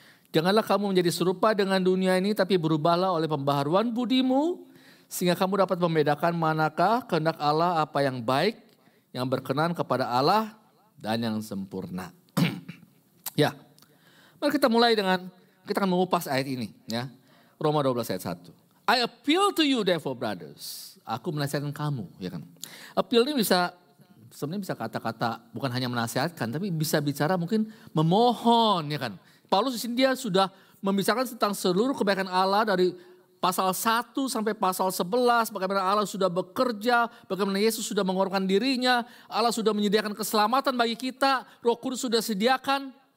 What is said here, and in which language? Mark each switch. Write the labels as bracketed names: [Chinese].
[Indonesian] Janganlah kamu menjadi serupa dengan dunia ini tapi berubahlah oleh pembaharuan budimu sehingga kamu dapat membedakan manakah kehendak Allah apa yang baik, yang berkenan kepada Allah dan yang sempurna. Ya. Mari kita mulai dengan kita akan mengupas ayat ini, ya. Roma 12 ayat 1. [English] I appeal to you therefore brothers. [Indonesian] Aku menasihatkan kamu, ya kan. Appeal ini bisa sebenarnya bisa kata-kata bukan hanya menasihatkan tapi bisa bicara mungkin memohon, ya kan. Paulus di sini dia sudah membicarakan tentang seluruh kebaikan Allah dari Pasal 1 sampai pasal 11, bagaimana Allah sudah bekerja, bagaimana Yesus sudah mengorbankan dirinya, Allah sudah menyediakan keselamatan bagi kita, Roh Kudus sudah sediakan.